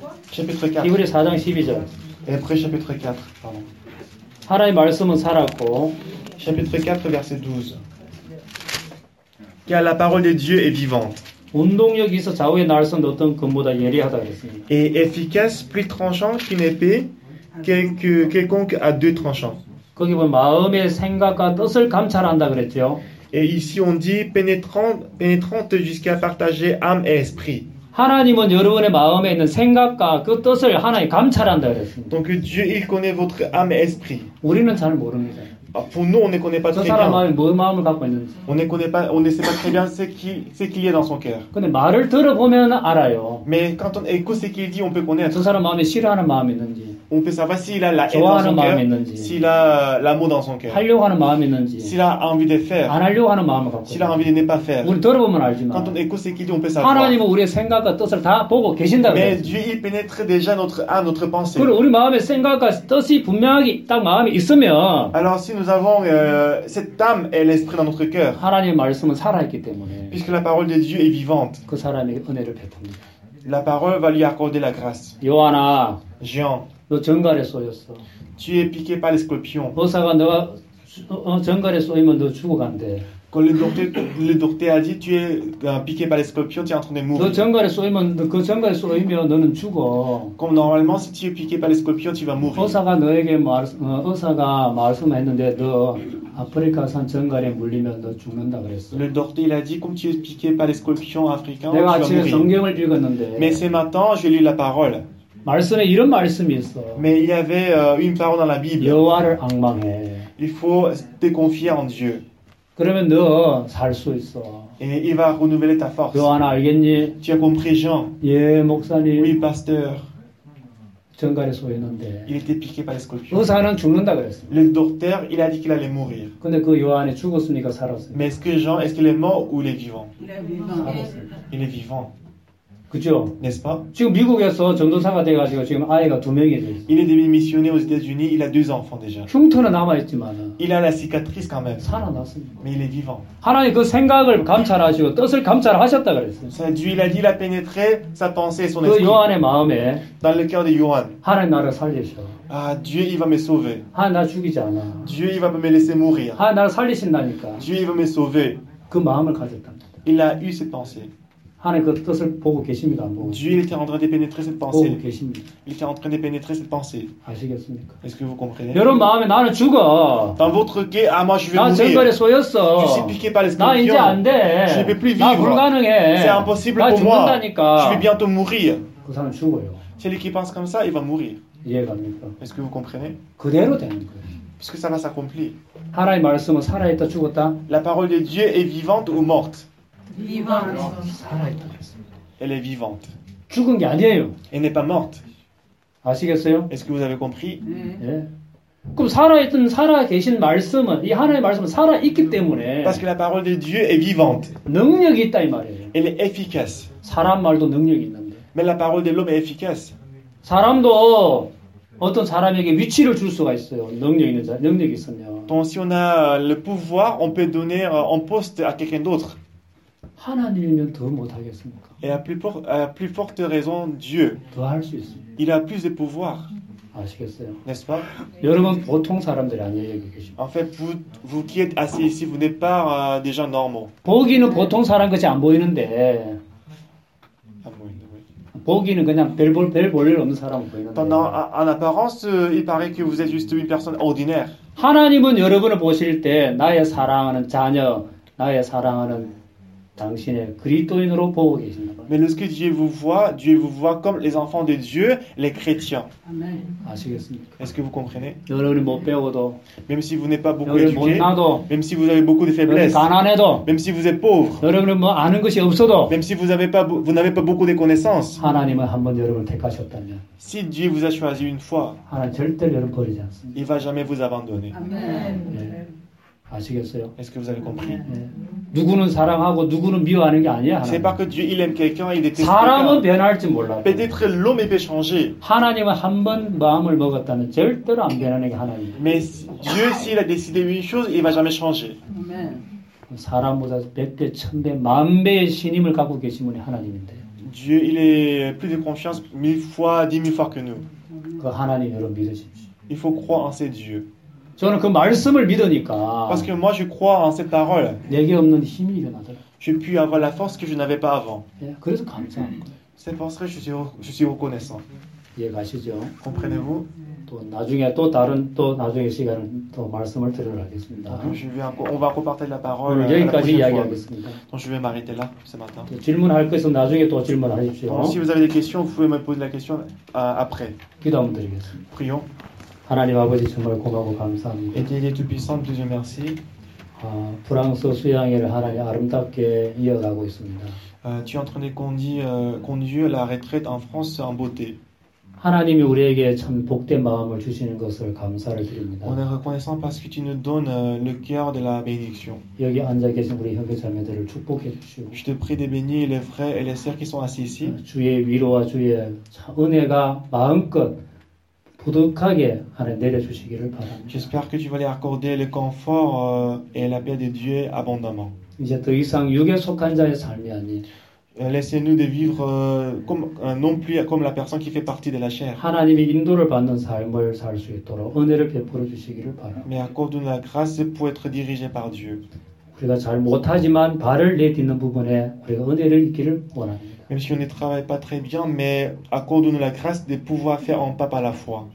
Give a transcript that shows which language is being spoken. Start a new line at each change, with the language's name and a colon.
French: Chapitre 4.
Korean: 히브리 4장 12절.
French: Hébreux chapitre 4. Pardon.
Korean: 하나님의 말씀은 살았고.
French: Chapitre 4 verset 12. Car la parole de Dieu est vivante.
Korean: 운동력이 있어 좌우에 나를 선 어떤 검보다 예리하다 그랬습니다.
French: Et efficace plus tranchant qu'une épée quelconque à deux tranchants.
Korean: 거기 보면 마음의 생각과 뜻을 감찰한다 그랬죠.
French: Et ici on dit pénétrante jusqu'à partager âme et esprit.
Korean: 하나님은 여러분의 마음에 있는 생각과 그 뜻을 하나님 감찰한다 그랬습니다.
French: Donc Dieu il connaît votre âme et esprit.
Korean: 우리는 잘 모릅니다.
French: Pour nous on ne connaît pas très bien.
Korean: 저 사람 마음이 뭐 마음을 갖고 있는지.
French: On ne sait pas très bien ce qu'il y a dans son cœur.
Korean: 근데 말을 들어보면 알아요.
French: Mais quand on écoute ce qu'il dit, on peut connaître.
Korean: 저 사람 마음에 싫어하는 마음이 있는지.
French: On peut savoir s'il a la haine dans son cœur,
Korean: 있는지,
French: s'il a l'amour dans son cœur,
Korean: 하려고 하는 마음이 있는지,
French: s'il a envie de faire,
Korean: 안 하려고 하는 마음을 갖고,
French: s'il a envie de ne pas faire.
Korean: 우리 들어보면 알지만,
French: quand on écoute ce qu'il dit, on peut savoir.
Korean: 하나님은 우리의 생각과 뜻을 다 보고 계신다.
French: Mais Dieu il pénètre déjà notre pensée.
Korean: 그리고 우리 마음의 생각과 뜻이 분명히 딱 마음이 있으면,
French: alors si nous avons cette âme et l'esprit dans notre cœur,
Korean: 하나님의 말씀은 살아있기 때문에,
French: puisque la parole de Dieu est vivante,
Korean: 그 사람에게 은혜를 베풉니다.
French: La parole va lui accorder la grâce.
Korean: 요한아,
French: Jean.
Korean: 너 정갈에 쏘였어.
French: Tu es piqué par les scorpions.
Korean: 의사가 너가 정갈에 쏘이면 너 죽어간대.
French: Quand le docteur a dit tu es piqué par les scorpions, tu es en train de mourir.
Korean: 너 정갈에 쏘이면 그 정갈에 쏘이면 너는 죽어.
French: Comme normalement si tu es piqué par les scorpions, tu vas mourir.
Korean: 의사가 너에게 말 의사가 말씀했는데 너 아프리카산 정갈에 물리면 너 죽는다 그랬어.
French: Le docteur il a dit comme tu es piqué par les scorpions africains,
Korean: 내가 아침에 성경을 읽었는데.
French: Mais ce matin j'ai lu la parole.
Korean: 말씀에 이런 말씀이 있어.
French: Mais il y avait une parole dans la Bible.
Korean: 여호와를 앙망해.
French: Il faut te confier en Dieu.
Korean: 그러면 너 살 수 있어.
French: Et il va renouveler ta force.
Korean: 너 하나 알겠니?
French: Tu as compris, Jean?
Korean: 예, 목사님.
French: Oui, pasteur.
Korean: 정갈에 쏘였는데.
French: Il était piqué par les scorpions.
Korean: 의사는 죽는다 그랬어.
French: Le docteur, il a dit qu'il allait mourir.
Korean: 근데 그 요한이 죽었으니까 살았어.
French: Mais est-ce que Jean, est-ce qu'il est mort ou il est vivant? Il est vivant.
Korean: 그죠?
French: N'est-ce pas?
Korean: 지금 미국에서 전도사가 돼가지고 지금 아이가 두 명이 돼.
French: Il est devenu missionnaire aux États-Unis. Il a deux enfants déjà.
Korean: 흉터는 남아있지만.
French: Il a la cicatrice quand même.
Korean: 살아났습니다.
French: Mais il est vivant.
Korean: 하나님 그 생각을 감찰하시고 뜻을 감찰하셨다 그랬어요.
French: Dieu il a dit il a pénétré sa pensée et son esprit.
Korean: 그 요한의 마음에.
French: Dans le cœur de Johann.
Korean: 하나님 나를 살리셔.
French: Ah, Dieu il va me sauver.
Korean: 하나님 나 죽이지 않아.
French: Dieu il va me laisser mourir.
Korean: 하나님 나를 살리신다니까.
French: Dieu il va me sauver.
Korean: 그 마음을 가졌답니다.
French: Il a eu cette pensée.
Korean: 하나님 그 뜻을 보고 계십니다. 보고.
French: Dieu était en train de pénétrer cette pensée.
Korean: 보고 계십니다.
French: Il était en train de pénétrer cette pensée.
Korean: 아시겠습니까?
French: Est-ce que vous comprenez?
Korean: 여러분 마음에 나는 죽어.
French: Dans votre cœur, ah, moi je vais mourir.
Korean: 나 정갈에 쏘였어.
French: Je suis piqué par les scorpions.
Korean: 나 이제 안 돼.
French: Je ne vais plus vivre.
Korean: 나 불가능해.
French: C'est impossible pour moi. Je vais bientôt mourir.
Korean: 그 사람 죽어요.
French: Celui qui pense comme ça, il va mourir.
Korean: 이해가 됩니까?
French: Est-ce que vous comprenez?
Korean: 그대로 되는 거예요.
French: Parce que ça va s'accomplir.
Korean: 하나님 말씀은 살아 있다 죽었다.
French: La parole de Dieu est vivante ou morte? Vivante. Elle est vivante.
Korean: 죽은 게 아니에요.
French: Elle n'est pas morte.
Korean: 아시겠어요?
French: Est-ce que vous avez compris?
Korean: 예. 그럼 살아있던 살아 계신 말씀은 이 하나님의 말씀은 살아 있기 때문에.
French: Parce que la parole de Dieu est vivante.
Korean: 능력이 있다 이 말이에요.
French: Elle est efficace.
Korean: 사람 말도 능력이 있는데.
French: Mais la parole de l'homme est efficace.
Korean: 사람도 어떤 사람에게 위치를 줄 수가 있어요. 능력 있는 자, 능력이 있으면.
French: Donc si on a le pouvoir, on peut donner un poste à quelqu'un d'autre.
Korean: 하나님이면 더 못하겠습니까?
French: Et à plus forte raison Dieu.
Korean: 더 할 수 있어요.
French: Il a plus de pouvoir.
Korean: 아시겠어요?
French: N'est-ce pas?
Korean: 여러분 보통 사람들이 아니에요 여기 계십니다.
French: En fait, vous qui êtes assis ici, vous n'êtes pas des gens normaux.
Korean: 보기는 보통 사람 같이 안 보이는데. 안 보이는데 왜? 보기는 그냥 별 볼 일 없는 사람 보이는데.
French: Pendant en apparence, il paraît que vous êtes juste une personne ordinaire.
Korean: 하나님은 여러분을 보실 때 나의 사랑하는 자녀, 나의 사랑하는 당신의 그리스도인으로 보고 계신다.
French: Mais lorsque Dieu vous voit comme les enfants de Dieu, les chrétiens.
Korean: 아시겠습니까?
French: Est-ce que vous comprenez?
Korean: 여러분이 못 배워도.
French: Même si vous n'êtes pas beaucoup éduqué.
Korean: 나도,
French: même si vous avez beaucoup de faiblesses.
Korean: 가난해도.
French: Même si vous êtes pauvre.
Korean: 여러분이 뭐 아는 것이 없어도.
French: Même si vous n'avez pas beaucoup de connaissances.
Korean: 하나님은 한번 여러분을 택하셨다면.
French: Si Dieu vous a choisi une fois.
Korean: 하나님 절대 여러분 버리지 않습니다.
French: Il va jamais vous abandonner.
Korean: 아멘. 네. 아시겠어요?
French: Est-ce que vous avez compris?
Korean: 네. 누구는 사랑하고 누구는 미워하는 게 아니야.
French: C'est pas que Dieu il aime quelqu'un, il déteste.
Korean: 사람은 변할지 몰라.
French: Peut-être l'homme peut changer.
Korean: 하나님은 한 번 마음을 먹었다면 절대로 안 변하는 게 하나님.
French: Mais Dieu s'il a décidé une chose, il va jamais changer.
Korean: 사람보다 백 배, 천 배, 만 배의 신임을 갖고 계신 분이 하나님인데.
French: Dieu il est plus de confiance mille fois, dix mille fois que nous.
Korean: 그 하나님 여러분 믿으십시오.
French: Il faut croire en ces Dieu.
Korean: 저는 그 말씀을 믿으니까.
French: Parce que moi je crois en cette parole.
Korean: 내게 없는 힘이 일어나더라.
French: J'ai pu avoir la force que je n'avais pas avant.
Korean: 예, 그래서 감사한 거예요.
French: C'est pour ça que je suis reconnaissant.
Korean: 이해가시죠?
French: Comprenez-vous?
Korean: 또 나중에 또 다른 또 나중에 시간은 또 말씀을 드리도록 하겠습니다.
French: On va repartager la parole.
Korean: 여기까지 이야기하겠습니다.
French: Donc je vais m'arrêter là ce matin.
Korean: 질문할 거 있으면 나중에 또 질문하십시오.
French: Donc si vous avez des questions, vous pouvez me poser la question après.
Korean: 기도 한번 드리겠습니다.
French: Prions.
Korean: 하나님 아버지 정말 고맙고 감사합니다.
French: Et Dieu tout puissant, Dieu merci.
Korean: 프랑스 수양회를 하나님 아름답게 이어가고 있습니다.
French: Tu es en train de conduire la retraite en France en beauté.
Korean: 하나님이 우리에게 참 복된 마음을 주시는 것을 감사를 드립니다.
French: On est reconnaissant parce que tu nous donnes le cœur de la bénédiction.
Korean: 여기 앉아 계신 우리 형제자매들을 축복해 주시오.
French: Je te prie de bénir les frères et les sœurs qui sont assis ici.
Korean: 주의 위로와 주의 은혜가 마음껏 부득하게 하나님 내려주시기를 바랍니다.
French: J'espère que tu vas lui accorder le confort et la paix de Dieu abondamment.
Korean: 이제 더 이상 육에 속한 자의 삶이 아닌
French: laissez-nous de vivre comme, non plus comme la personne qui fait partie de la chair.
Korean: 하나님이 인도를 받는 삶을 살 수 있도록 은혜를 베풀어 주시기를 바랍니다.
French: Mais accorde-nous la grâce pour être dirigé par Dieu.
Korean: 우리가 잘 못하지만 발을 내딛는 부분에 우리가 은혜를 있기를 원합니다.
French: Même si on ne travaille pas très bien, mais accorde-nous la grâce de pouvoir faire un pas par la foi.